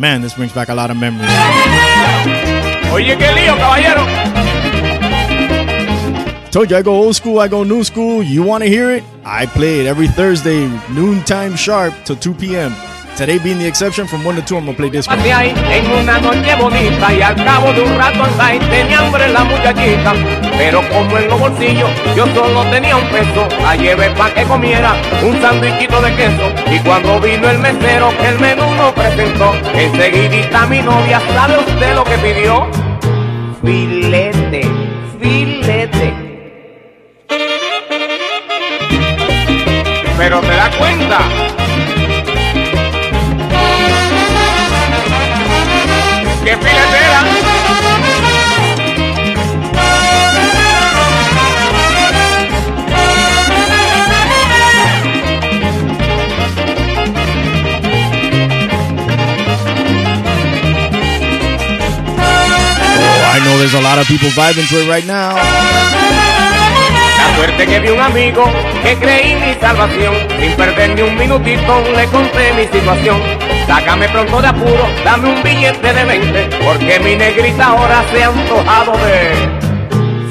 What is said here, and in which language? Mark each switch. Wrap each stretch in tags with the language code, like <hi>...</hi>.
<en>Man, this brings back a lot of memories.</en> <es>Oye, qué lío, caballero.</es> <en>Told you I go old school, I go new school. You want to hear it? I play it every Thursday, noontime sharp to 2 p.m. Today being the exception, from 1 to 2, I'm going to play this one.</en> <es>En una noche bonita y al cabo de un rato al baile tenía hambre la muchachita, pero como en los bolsillos yo solo tenía un peso, la llevé pa' que comiera un sandwichito de queso. Y cuando vino el mesero que el menú lo presentó, enseguidita mi novia, ¿sabe usted lo que pidió? Filete, filete. Pero te das cuenta. ¡Qué filetera!</es> <en>Oh, I know there's a lot of people vibing to it right now.</en> <es>La suerte que vi un amigo que creí mi salvación. Sin perder ni un minutito le conté mi situación. Sácame pronto de apuro, dame un billete de 20, porque mi negrita ahora se ha antojado de</es>